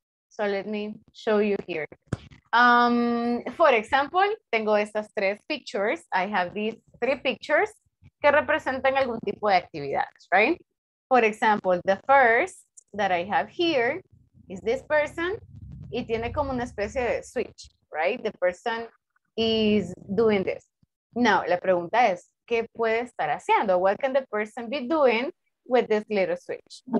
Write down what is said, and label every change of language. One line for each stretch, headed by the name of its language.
English: So, let me show you here. For example,
Spanish: tengo estas tres
English: pictures. I have these three pictures
Spanish: que representan algún tipo de actividades,
English: right? For example, the first that I have here is this person.
Spanish: Y tiene como una especie de switch, right?
English: The person is doing this.
Spanish: No, la pregunta es, ¿qué puede estar haciendo?
English: What can the person be doing with this little switch?